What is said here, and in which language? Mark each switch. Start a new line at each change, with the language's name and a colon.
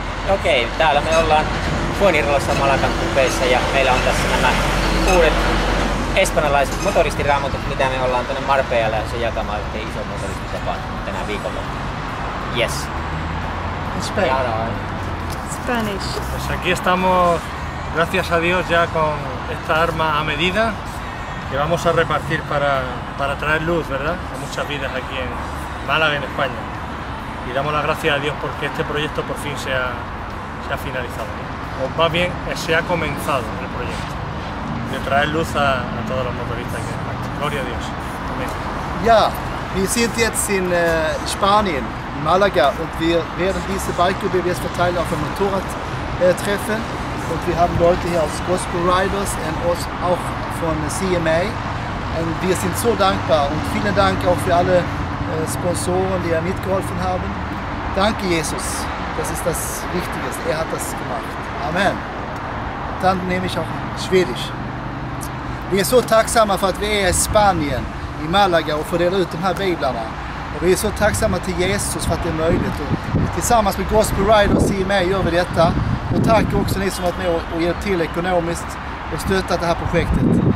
Finnish: Okay, täällä me ollaan Fuenirolassa Malagan kupeissa ja meillä on tässä nämä uudet espanjalaiset motoristiraamatut, mitä me ollaan tuonne Marbella ja sen jakamaan yhteen iso motoristitapahtuma tänä viikolla.
English: Yes. Spanish.
Spanish: Pues aquí estamos, gracias a Dios, ya con esta arma a medida que vamos a repartir para traer luz, ¿verdad? A muchas vidas aquí en Málaga, en España. Y damos las gracias a Dios porque este proyecto por fin se ha finalizado. O más bien, se ha comenzado el proyecto de traer luz a todos los motoristas aquí en España. Gloria a Dios. Amén.
German: Ya, wir sind jetzt in Spanien. Malaga und wir werden diese Bike-Bewegung verteilen auf einem Motorradtreffen und wir haben Leute hier aus Gospel Riders und auch von CMA und wir sind so dankbar und vielen Dank auch für alle Sponsoren, die ja mitgeholfen haben. Danke Jesus, das ist das Wichtige, er hat das gemacht. Amen. Dann nehme ich auch Schwedisch. Wir sind so dankbar, für wir in Spanien, in Malaga und fördern
Swedish: ut de här biblarna. Och vi är så tacksamma till Jesus för att det är möjligt. Och tillsammans med Gospel Rider och CMA gör vi detta. Och tack också ni som varit med och hjälpt till ekonomiskt och stöttat det här projektet.